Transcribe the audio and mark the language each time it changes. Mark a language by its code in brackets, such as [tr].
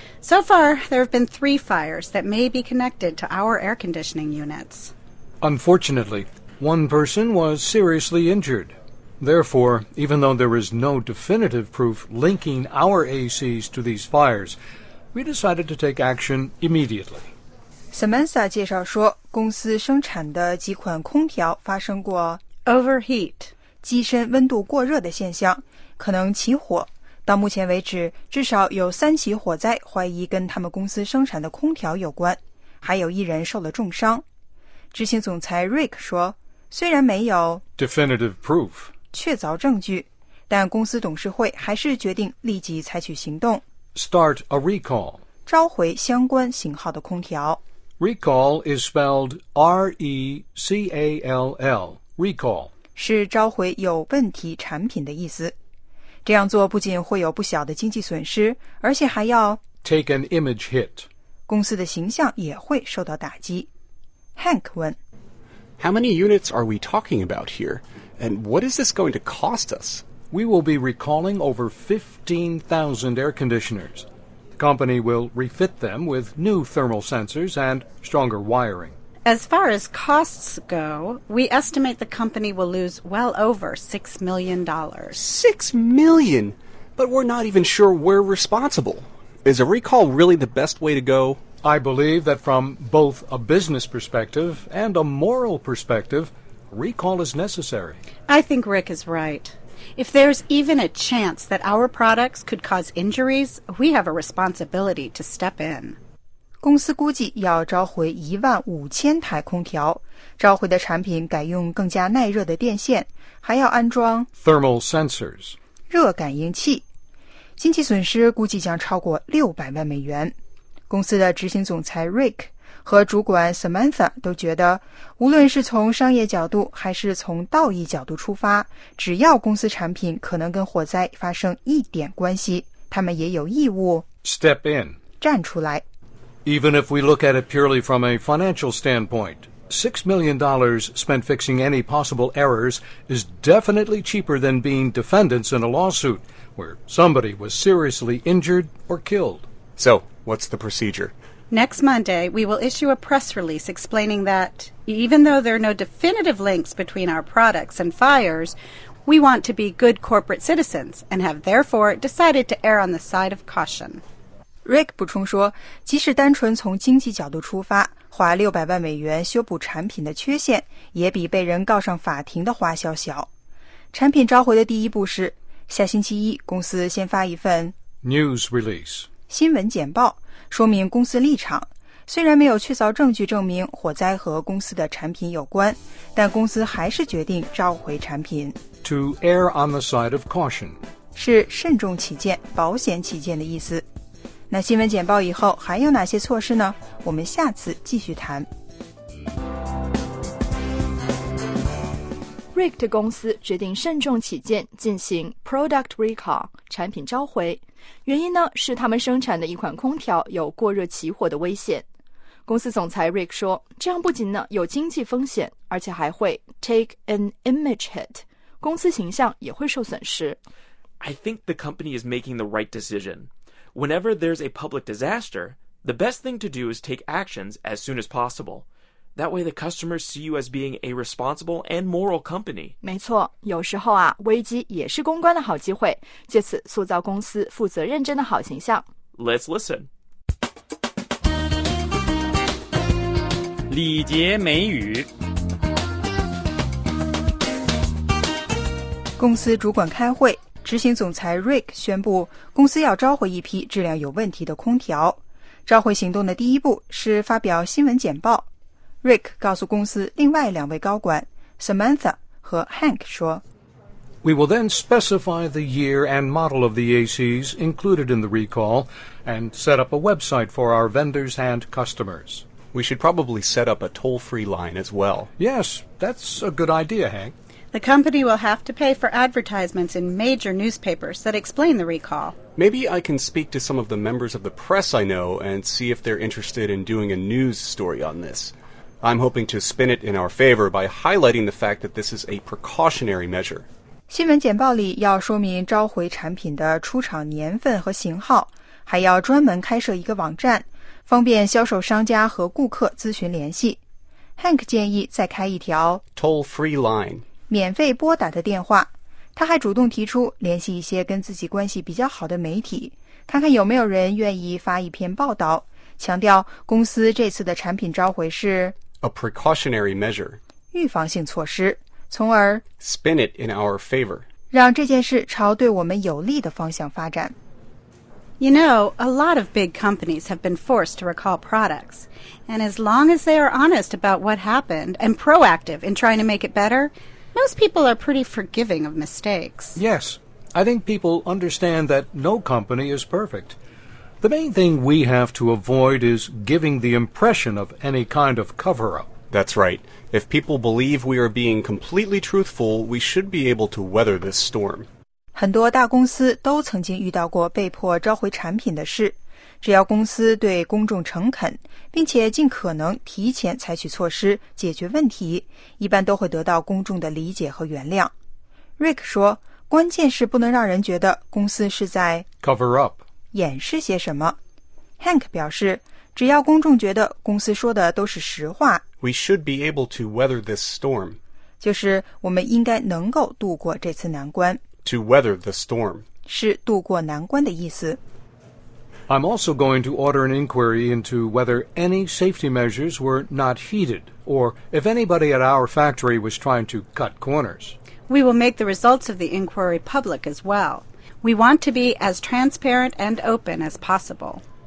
[en] So far, there have been 3 fires that may be connected to our air conditioning units. Unfortunately, one person was seriously injured. Therefore, even though there is no definitive proof linking our ACs to these fires,We decided to take action immediately. [zh] Samantha 介绍说，公司生产的几款空调发生过 [en] overheat [zh] 机身温度过热的现象，可能起火。到目前为止，至少有3起火灾怀疑跟他们公司生产的空调有关，还有一人受了重伤。执行总裁 Rick 说，虽然没有 [en] definitive proof [zh] 确凿证据，但公司董事会还是决定立即采取行动。 [en] Start a recall. [zh] 召回相关型号的空调。 [en] Recall is spelled R-E-C-A-L-L, recall. [zh] 是召回有问题产品的意思。这样做不仅会有不小的经济损失，而且还要 [en] take an image hit. [zh] 公司的形象也会受到打击。 Hank 问 [en] How many units are we talking about here? And what is this going to cost us? We will be recalling over 15,000 air conditioners. The company will refit them with new thermal sensors and stronger wiring. As far as costs go, we estimate the company will lose well over $6 million. $6 million? But we're not even sure we're responsible. Is a recall really the best way to go? I believe that from both a business perspective and a moral perspective, recall is necessary. I think Rick is right. If there's even a chance that our products could cause injuries, we have a responsibility to step in. [zh] 公司估计要召回15,000台空调，召回的产品改用更加耐热的电线，还要安装 [en] thermal sensors, [zh] 热感应器。经济损失估计将超过600万美元。公司的执行总裁 Rick 和主管 Samantha 都觉得，无论是从商业角度还是从道义角度出发，只要公司产品可能跟火灾发生一点关系，他们也有义务 [en] step in [zh] 站出来。 [en] Even if we look at it purely from a financial standpoint, $6 million spent fixing any possible errors is definitely cheaper than being defendants in a lawsuit where somebody was seriously injured or killed. So,What's the procedure? Next Monday, we will issue a press release explaining that, even though there are no definitive links between our products and fires, we want to be good corporate citizens and have therefore decided to err on the side of caution. [zh] Rick 补充说，即使单纯从经济角度出发，花600万美元修补产品的缺陷，也比被人告上法庭的花销小。产品召回的第一步是，下星期一，公司先发一份 [en] news release. [zh] 新闻简报说明公司立场，虽然没有确凿证据证明火灾和公司的产品有关，但公司还是决定召回产品。 [en] To err on the side of caution [zh] 是慎重起见、保险起见的意思。那新闻简报以后还有哪些措施呢？我们下次继续谈。 Rick 的公司决定慎重起见进行 product recall 产品召回，原因呢是他们生产的一款空调有过热起火的危险。公司总裁 Rick 说，这样不仅呢有经济风险，而且还会 [en] take an image hit， [zh] 公司形象也会受损失。 [en] I think the company is making the right decision. Whenever there's a public disaster, the best thing to do is take actions as soon as possible. That way the customers see you as being a responsible and moral company. [zh] 没错，有时候啊，危机也是公关的好机会，借此塑造公司负责认真的好形象。 Let's listen. 礼节美语。公司主管开会，执行总裁 Rick 宣布公司要召回一批质量有问题的空调。召回行动的第一步是发表新闻简报。Rick 告诉公司另外两位高管 Samantha 和 Hank 说 [en] We will then specify the year and model of the ACs included in the recall and set up a website for our vendors and customers. We should probably set up a toll-free line as well. Yes, that's a good idea, Hank. The company will have to pay for advertisements in major newspapers that explain the recall. Maybe I can speak to some of the members of the press I know and see if they're interested in doing a news story on this. I'm hoping to spin it in our favor by highlighting the fact that this is a precautionary measure. [zh] 新闻简报里要说明召回产品的出厂年份和型号，还要专门开设一个网站，方便销售商家和顾客咨询联系。 Hank 建议再开一条 [en] toll-free line, [zh] 免费拨打的电话。他还主动提出联系一些跟自己关系比较好的媒体，看看有没有人愿意发一篇报道。强调公司这次的产品召回是 [en] a precautionary measure [zh] 预防性措施，从而 [en] spin it in our favor [zh] 让这件事朝对我们有利的方向发展。 [en] You know, a lot of big companies have been forced to recall products, and as long as they are honest about what happened and proactive in trying to make it better, most people are pretty forgiving of mistakes. Yes, I think people understand that no company is perfect. The main thing we have to avoid is giving the impression of any kind of cover-up. That's right. If people believe we are being completely truthful, we should be able to weather this storm. [zh] 很多大公司都曾经遇到过被迫召回产品的事。只要公司对公众诚恳，并且尽可能提前采取措施解决问题，一般都会得到公众的理解和原谅。 Rick 说，关键是不能让人觉得公司是在 cover up 掩饰些什么。 Hank 表示，只要公众觉得公司说的都是实话 [en] ，We should be able to weather this storm， [zh] 就是我们应该能够度过这次难关。 [en] To weather the storm [zh] 是度过难关的意思。 [en] I'm also going to order an inquiry into whether any safety measures were not heeded, or if anybody at our factory was trying to cut corners. We will make the results of the inquiry public as well. We want to be as transparent and open as possible.